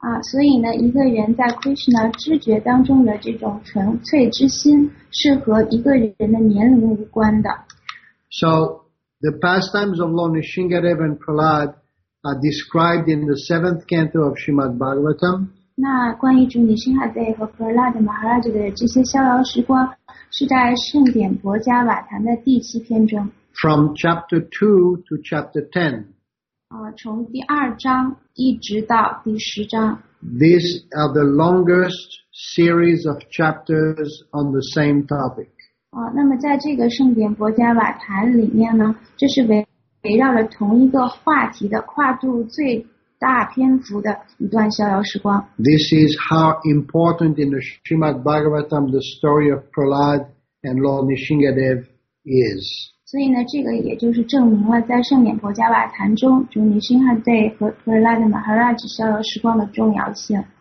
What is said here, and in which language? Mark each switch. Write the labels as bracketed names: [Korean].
[Chinese] 所以呢，一个人在 Krishna 知觉当中的这种纯粹之心是和一个人的年龄无关的。 [English] So, the pastimes of Lord Nrisimhadev and Prahlad are described in the 7th canto of Srimad Bhagavatam. [Chinese] 那关于主女辛哈贝和 Prahlad Maharaj 的这些逍遥时光是在圣典博迦瓦坛的第七篇中。 [English] From chapter 2 to chapter 10. [Chinese] 从第二章一直到第十章。 [English] These are the longest series of chapters on the same topic. [Chinese] 那么在这个圣典博迦瓦坛里面呢，这是围绕了同一个话题的跨度最大篇幅的一段逍遥时光。 [English] This is how important in the Srimad Bhagavatam the story of Prahlad and Lord Nrisimhadev is. [Chinese] 所以呢，这个也就是证明了在圣典婆迦瓦坛中，主女辛哈贝和 Prahlad Maharaj 逍遥时光的重要性。